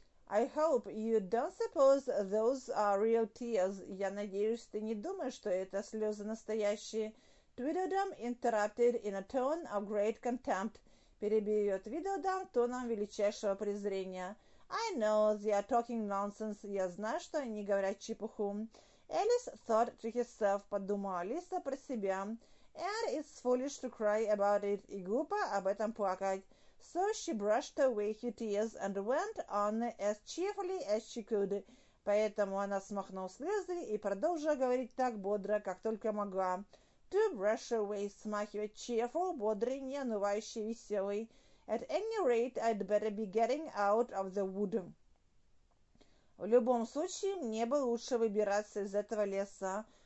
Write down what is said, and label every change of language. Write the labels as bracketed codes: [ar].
[en] I hope you don't suppose those are real tears. [ru] Я надеюсь, ты не думаешь, что это слезы настоящие. [en] Tweedledum interrupted in a tone of great contempt. [ru] Перебил ее Tweedledum тоном величайшего презрения. [en] I know they are talking nonsense. [ru] Я знаю, что они говорят чепуху. [en] Alice thought to herself, [ru] подумала Алиса про себя. [en] And it's foolish to cry about it. [ru] И глупо об этом плакать. [en] So she brushed away her tears and went on as cheerfully as she could. [ru] Поэтому она смахнула слезы и продолжила говорить так бодро, как только могла. [en] To brush away, [ru] смахивать, cheerful, бодрый, не унывающий, веселый. [en] At any rate, I'd better be getting out of the wood. [ru] В любом случае, мне бы лучше выбираться из этого леса.